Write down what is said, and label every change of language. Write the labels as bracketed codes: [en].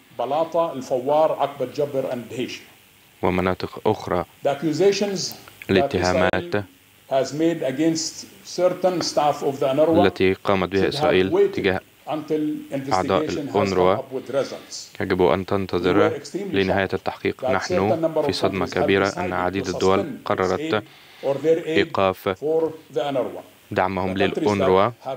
[ar] بلاطة، الفوار، عقبة جبر اند هيش ومناطق أخرى. [en] The accusations [ar] الاتهامات [en] has made against certain staff of the UNRWA [ar] التي قامت بها إسرائيل تجاه أعضاء الأونروا يجب أن تنتظر لنهاية التحقيق. نحن في صدمة كبيرة أن عديد الدول قررت إيقاف دعمهم للأونروا.